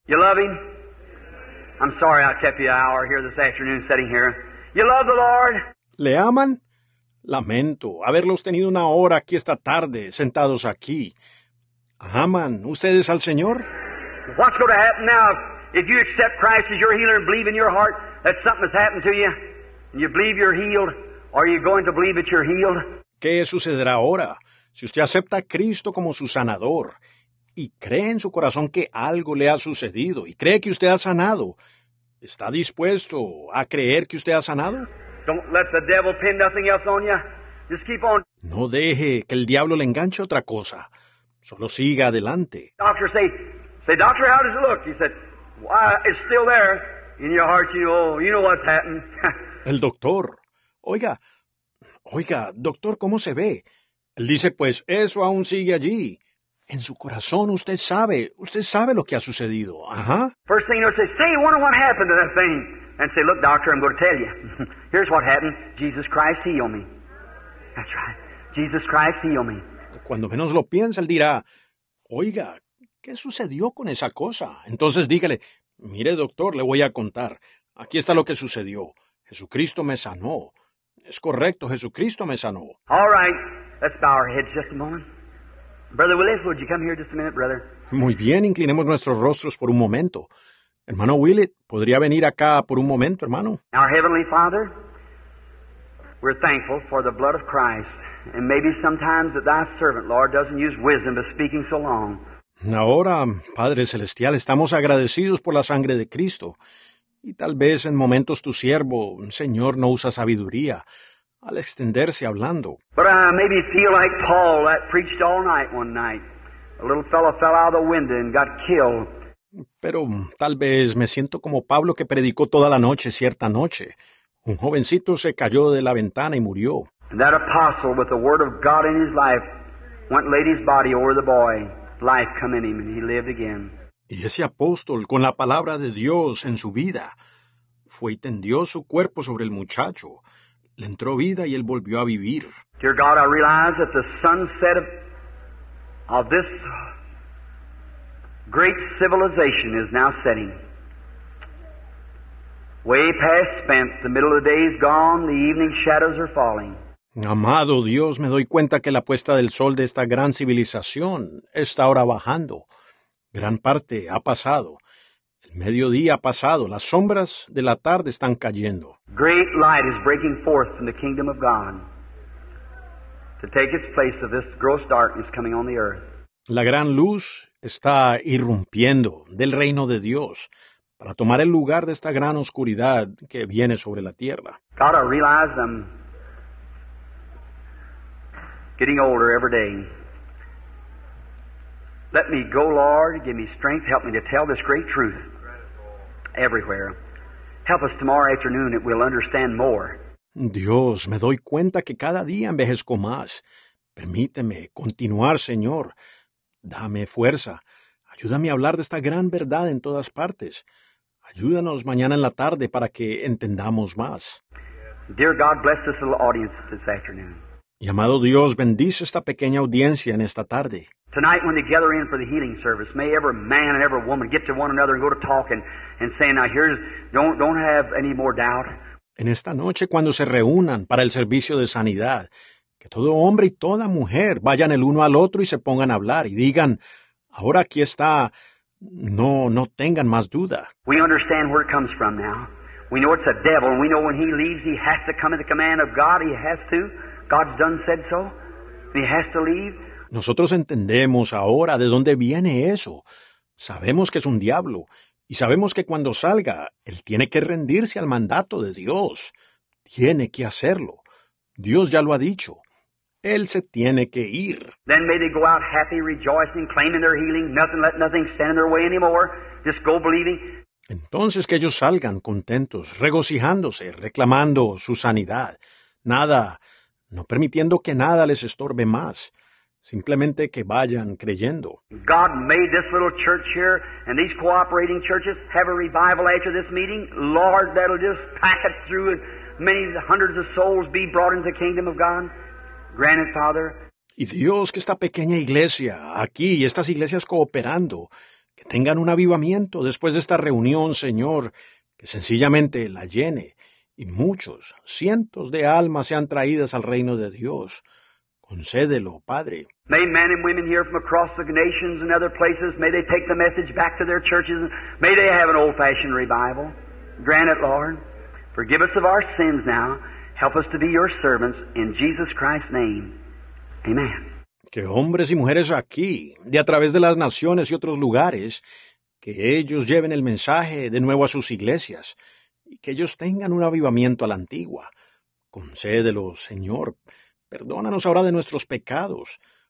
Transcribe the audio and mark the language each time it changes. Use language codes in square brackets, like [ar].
[en] You love him? I'm sorry I kept you an hour here this afternoon sitting here. You love the Lord? [es] ¿Le aman? Lamento haberlos tenido una hora aquí esta tarde, sentados aquí. ¿Aman ustedes al Señor? [en] What's going to happen now if you accept Christ as your healer and believe in your heart that something has happened to you and you believe you're healed? Are you going to believe that you're healed? [es] ¿Qué sucederá ahora si usted acepta a Cristo como su sanador y cree en su corazón que algo le ha sucedido y cree que usted ha sanado? ¿Está dispuesto a creer que usted ha sanado? [en] Don't let the devil pin nothing else on you. Just keep on. [es] No deje que el diablo le enganche otra cosa. Solo siga adelante. [en] Doctor, say, doctor, how does it look? He said, why, it's still there. In your heart, you know what's happened. [es] El doctor, oiga, doctor, ¿cómo se ve? Él dice, pues, eso aún sigue allí. En su corazón, usted sabe lo que ha sucedido. Ajá. [en] First thing you'll say, I wonder what happened to that thing. And say, look, doctor, I'm going to tell you. Here's what happened. Jesus Christ healed me. That's right. Jesus Christ healed me. [es] Cuando menos lo piense, él dirá, oiga, ¿qué sucedió con esa cosa? Entonces dígale, mire, doctor, le voy a contar. Aquí está lo que sucedió. Jesucristo me sanó. Es correcto, Jesucristo me sanó. [en] All right, let's bow our heads just a moment. Brother Willis, would you come here just a minute, brother? [es] Muy bien, inclinemos nuestros rostros por un momento. Hermano Willis, ¿podría venir acá por un momento, hermano? [en] Our Heavenly Father, we're thankful for the blood of Christ. And maybe sometimes that thy servant, Lord, doesn't use wisdom but speaking so long. [es] Ahora, Padre Celestial, estamos agradecidos por la sangre de Cristo. Y tal vez en momentos tu siervo, Señor, no usa sabiduría al extenderse hablando. [en] But I maybe feel like Paul that preached all night one night. A little fellow fell out of the window and got killed. [es] Pero tal vez me siento como Pablo que predicó toda la noche cierta noche. Un jovencito se cayó de la ventana y murió. [en] And that apostle with the word of God in his life went laid his body over the boy. Life come in him and he lived again. [es] Y ese apóstol con la palabra de Dios en su vida fue y tendió su cuerpo sobre el muchacho. Le entró vida y él volvió a vivir. [en] Dear God, I realize that the sunset of this great civilization is now setting. Way past spent, the middle of the day is gone, the evening shadows are falling. [es] Amado Dios, me doy cuenta que la puesta del sol de esta gran civilización está ahora bajando. Gran parte ha pasado. El mediodía ha pasado. Las sombras de la tarde están cayendo. [en] Great light is breaking forth from the kingdom of God to take its place of this gross darkness coming on the earth. [es] La gran luz está irrumpiendo del reino de Dios para tomar el lugar de esta gran oscuridad que viene sobre la tierra. [en] God, I realize them. Getting older every day. Let me go, Lord. Give me strength. Help me to tell this great truth everywhere. Help us tomorrow afternoon that we'll understand more. [es] Dios, me doy cuenta que cada día envejezco más. Permíteme continuar, Señor. Dame fuerza. Ayúdame a hablar de esta gran verdad en todas partes. Ayúdanos mañana en la tarde para que entendamos más. [en] Dear God, bless this little audience this afternoon. [es] Y amado Dios, bendice esta pequeña audiencia en esta tarde. [en] Tonight when they gather in for the healing service, may every man and every woman get to one another and go to talking and say, now here's, don't have any more doubt. [es] En esta noche cuando se reúnan para el servicio de sanidad, que todo hombre y toda mujer vayan el uno al otro y se pongan a hablar y digan, ahora aquí está, no tengan más duda. [en] We understand where it comes from now. We know it's a devil. We know when he leaves, he has to come at the command of God. He has to. God's done said so. He has to leave. [es] Nosotros entendemos ahora de dónde viene eso. Sabemos que es un diablo. Y sabemos que cuando salga, él tiene que rendirse al mandato de Dios. Tiene que hacerlo. Dios ya lo ha dicho. Él se tiene que ir. [en] Then may they go out happy, rejoicing, claiming their healing. Nothing, let nothing stand in their way anymore. Just go believing. [es] Entonces que ellos salgan contentos, regocijándose, reclamando su sanidad. Nada, no permitiendo que nada les estorbe más. Simplemente que vayan creyendo. [en] God made this little church here and these cooperating churches have a revival after this meeting. Lord, that'll just pack it through and many hundreds of souls be brought into the kingdom of God. Grant it, Father. [es] Y Dios, que esta pequeña iglesia aquí y estas iglesias cooperando, que tengan un avivamiento después de esta reunión, Señor, que sencillamente la llene y muchos, cientos de almas sean traídas al reino de Dios. Concédelo, Padre. [en] May men and women here from across the nations and other places, may they take the message back to their churches. May they have an old-fashioned revival. Grant it, Lord. Forgive us of our sins now. Help us to be your servants in Jesus Christ's name. Amen. [es] Que hombres y mujeres aquí, de a través de las naciones y otros lugares, que ellos lleven el mensaje de nuevo a sus iglesias y que ellos tengan un avivamiento a la antigua. Concédelo, Señor. Perdónanos ahora de nuestros pecados.